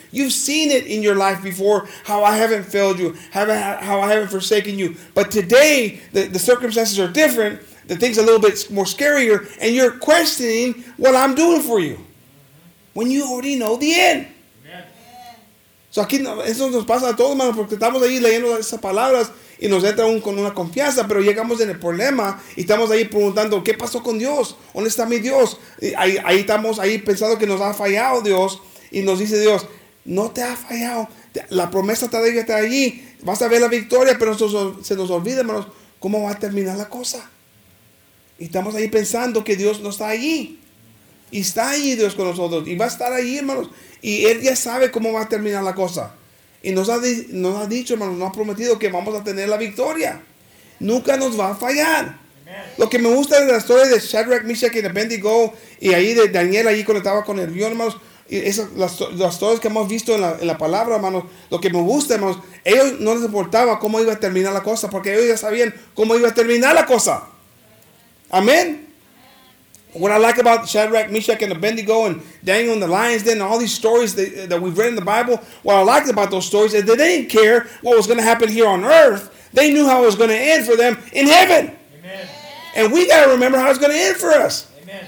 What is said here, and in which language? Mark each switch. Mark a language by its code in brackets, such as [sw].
[en] You've seen it in your life before, how I haven't failed you, how I haven't forsaken you. But today, the circumstances are different. The thing's a little bit more scarier, and you're questioning what I'm doing for you, when you already know the end. Amen. [es] So aquí eso nos pasa a todos, hermanos, porque estamos ahí leyendo esas palabras y nos entra con una confianza, pero llegamos en el problema y estamos ahí preguntando qué pasó con Dios, dónde está mi Dios. Ahí estamos ahí pensando que nos ha fallado Dios y nos dice Dios, no te ha fallado, la promesa está allí, vas a ver la victoria, pero se nos olvida, hermanos, cómo va a terminar la cosa. Y estamos ahí pensando que Dios no está allí. Y está allí Dios con nosotros. Y va a estar allí, hermanos. Y Él ya sabe cómo va a terminar la cosa. Y nos ha dicho, hermanos, nos ha prometido que vamos a tener la victoria. Nunca nos va a fallar. Amen. Lo que me gusta de la historia de Shadrach, Meshach y Abednego, y ahí de Daniel, ahí cuando estaba con el río, hermanos, y esas, las historias que hemos visto en la palabra, hermanos, lo que me gusta, hermanos, ellos no les importaba cómo iba a terminar la cosa, porque ellos ya sabían cómo iba a terminar la cosa. Amen. [en] What I like about Shadrach, Meshach, and Abednego, and Daniel and the lion's den, and all these stories that we've read in the Bible, what I liked about those stories is that they didn't care what was going to happen here on earth. They knew how it was going to end for them in heaven. Amen. And we got to remember how it's going to end for us. Amen.